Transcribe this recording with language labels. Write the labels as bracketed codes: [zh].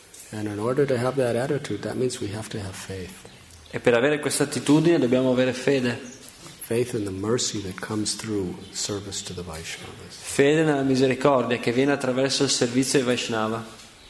[en] And in order to have that attitude, that means we have to have faith. [it] E per avere questa attitudine dobbiamo avere fede. [en] Faith in the mercy that comes through service to the Vaishnavas. [it] Fede nella misericordia che viene attraverso il servizio ai Vaishnava.